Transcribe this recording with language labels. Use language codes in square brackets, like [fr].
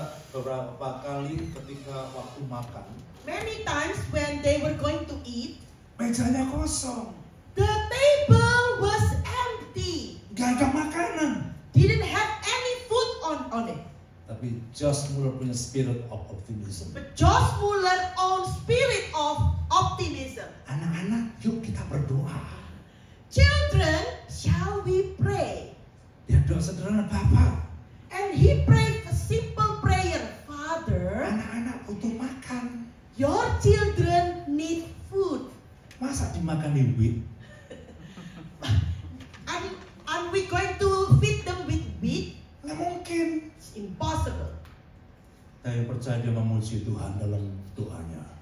[id] Beberapa kali ketika waktu makan. [en] Many times when they were going to eat. [id] Mejanya kosong. [en] The table was empty. [id] Gak ada makanan. [en] Didn't have any food on it. [id] Tapi Josh Mueller punya [en] spirit of optimism. But Josh Mueller own spirit of optimism. [id] Anak-anak, yuk kita berdoa. [en] Children, shall we pray? [id] Dia doa sederhana, Bapak. [en] And he prayed a simple prayer. Father, [id] anak-anak butuh makan. [en] Your children need food. [id] Masa dimakan wheat? [en] And we going to feed them with wheat? [id] Nggak mungkin. [en] Impossible. [id] Saya percaya dia memuji Tuhan dalam doanya.